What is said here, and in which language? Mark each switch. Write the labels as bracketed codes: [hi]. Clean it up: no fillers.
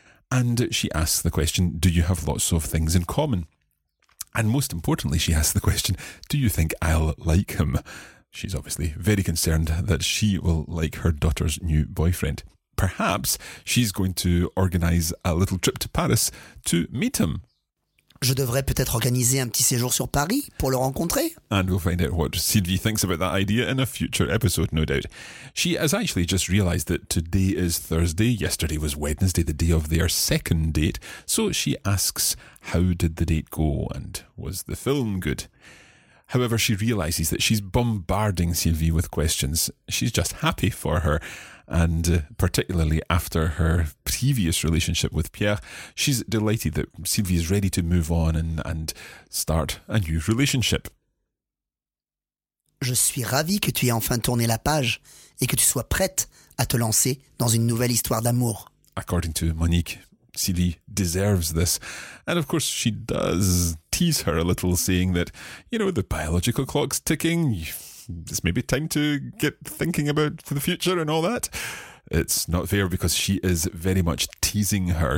[en] And she asks the question, do you have lots of things in common? And most importantly, she asks the question, do you think I'll like him? She's obviously very concerned that she will like her daughter's new boyfriend. Perhaps she's going to organize a little trip to Paris to meet him. [fr] Je devrais peut-être organiser un petit séjour sur Paris pour le rencontrer. [en] And we'll find out what Sylvie thinks about that idea in a future episode, no doubt. She has actually just realized that today is Thursday. Yesterday was Wednesday, the day of their second date. So she asks, how did the date go and was the film good? However, she realises that she's bombarding Sylvie with questions. She's just happy for her. And particularly after her previous relationship with Pierre, she's delighted that Sylvie is ready to move on and start a new relationship. [fr] Je suis ravie que tu aies enfin tourné la page et que tu sois prête à te lancer dans une nouvelle histoire d'amour. [en] According to Monique, Sylvie deserves this. And of course she does tease her a little, saying that, you know, the biological clock's ticking, it's maybe time to get thinking about for the future and all that. It's not fair because she is very much teasing her.